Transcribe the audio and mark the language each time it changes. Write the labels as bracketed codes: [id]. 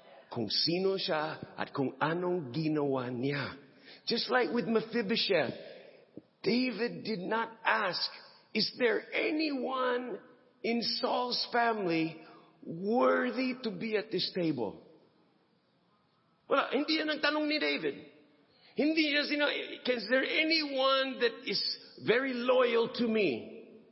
[tl] Kung sino siya at kung anong ginawa niya. [en] Just like with Mephibosheth, David did not ask, is there anyone in Saul's family worthy to be at this table? [tl] Well, hindi yan ang tanong ni David. Hindi niya sinabi, [en] is there anyone that is very loyal to me?